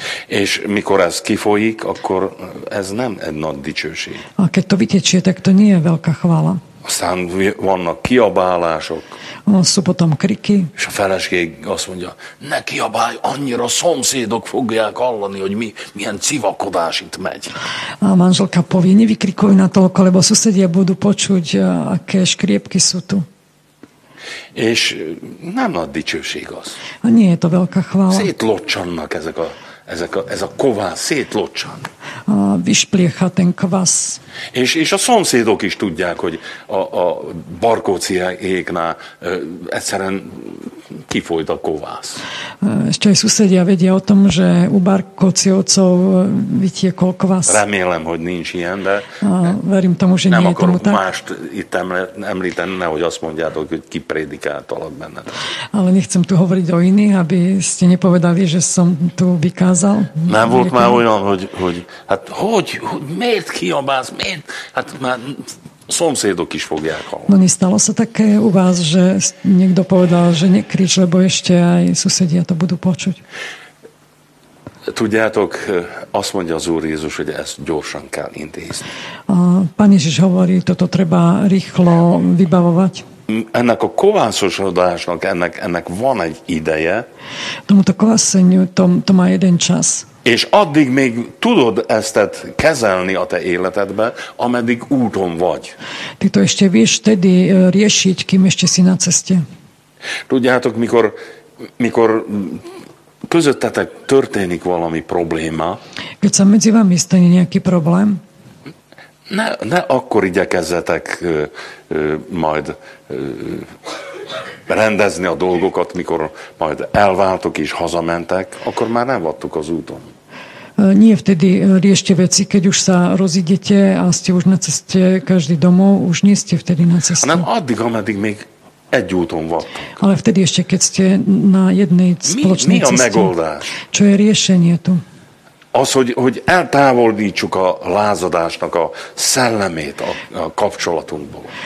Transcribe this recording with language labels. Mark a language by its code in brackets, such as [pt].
[hu] És mikor ez kifolyik, akkor ez nem egy nagy dicsőség. [sk] A keď to vytečie, tak to nie je veľká chvála. [hu] Aztán vannak kiabálások. [sk] Sú potom kriky. [hu] És a feleség azt mondja, ne kiabálj, annyira szomszédok fogják hallani, hogy milyen civakodás itt megy. [sk] A manželka povie, nevykrikuj na toľko, lebo susedia budú počuť, aké škriepky sú tu. [hu] És nem nagy dicsőség az. [sk] A nie je to veľká chvála. [hu] Szétlocsannak ez a kovász, szétlocsan. [sk] A vyšpliecha ten kvas. [hu] És a szomszédok is tudják, hogy a Barkóczi égnál egyszerűen kifolyt a kovász. [sk] Ešte aj susedia vedia o tom, že u Barkóczivcov vytiekol kvas. [hu] Remélem, hogy nincs ilyen, de [sk] verím tomu, že [hu] nem [sk] nie je tomu tak. [hu] Nem akarok mást említeni, nehogy azt mondjátok, hogy ki prédikáltalak benned. [sk] Ale nechcem tu hovoriť o iných, aby ste nepovedali, že som tu vykázal. [hu] Nem volt már olyan, hogy hát hogy miért kiabálsz, miért? Hát már szomszédok is fogják hallani. [sk] No, nie stalo sa také u vás, že niekto povedal, že nekrič, lebo ešte aj susedia to budú počuť. [hu] Tudjátok, azt mondja az Úr Jézus, hogy ezt gyorsan kell intézni. [sk] Pán Ježiš hovorí, toto treba rýchlo vybavovať. [hu] Ennek a kovászosodásnak, ennek van egy ideje. [sk] Tomuto kovászeniu, to má jeden čas. [hu] És addig még tudod ezt kezelni a te életedbe, ameddig úton vagy. [sk] Ty to ešte vieš tedy riešiť, kým ešte si na ceste. [hu] Tudjátok, mikor közöttetek történik valami probléma. [sk] Keď sa medzi vami stane nejaký problém. [hu] Ne akkor igyekezzetek majd rendezni a dolgokat, mikor majd elváltok és hazamentek, akkor már nem vattok az úton. [sk] Nie vtedy riešte veci, keď už sa rozídete a ste už na ceste každý domov, už nie ste vtedy na ceste. [hu] A nem addig, ameddig még egy úton vattok. [sk] Ale vtedy ešte, keď ste na jednej spoločnej ceste. [hu] Mi a megoldás? [sk] Čo je riešenie tu? [hu] Az, hogy eltávolítsuk a lázadásnak a szellemét a kapcsolatunkból.